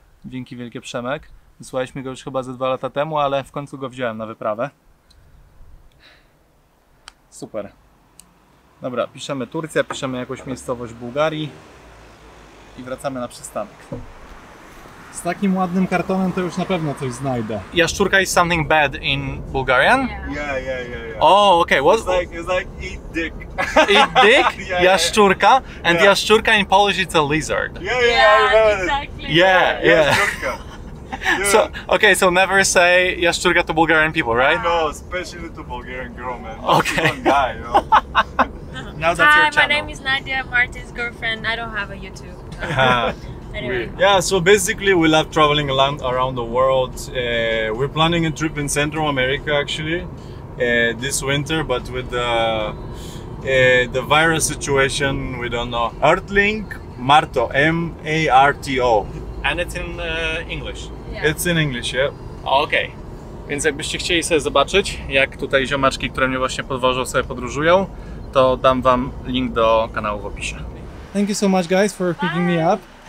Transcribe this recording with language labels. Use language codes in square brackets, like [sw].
[pl] Dzięki wielkie, Przemek. Wysłaliśmy go już chyba ze 2 lata temu, ale w końcu go wziąłem na wyprawę. Super. Dobra, piszemy Turcja, piszemy jakąś miejscowość Bułgarii i wracamy na przystanek. Z takim ładnym kartonem to już na pewno coś znajdę. [en] Jaszczurka is something bad in Bulgarian? Yeah. Oh, okay. What? It's like eat dick. Eat dick? Yeah, jaszczurka. Yeah. And jaszczurka in Polish it's a lizard. Yeah, exactly. Yeah. Jaszczurka. Yeah. So never say jaszczurka to Bulgarian people, right? No, especially to Bulgarian girl, man. Okay. Guy, you know? Now that's Hi, your channel. My name is Nadia, Martin's girlfriend. I don't have a YouTube. Anyway. Yeah, so basically we love traveling around the world. We're planning a trip in Central America actually this winter, but with the virus situation, we don't know. Earthlink Marto, M-A-R-T-O. And it's in English? Yeah. It's in English, yep. Okay. [pl] Więc jakbyście chcieli sobie zobaczyć, jak tutaj ziomaczki, które mnie właśnie podwożą, sobie podróżują, to dam wam link do kanału w opisie. [en] Thank you so much guys for picking me up.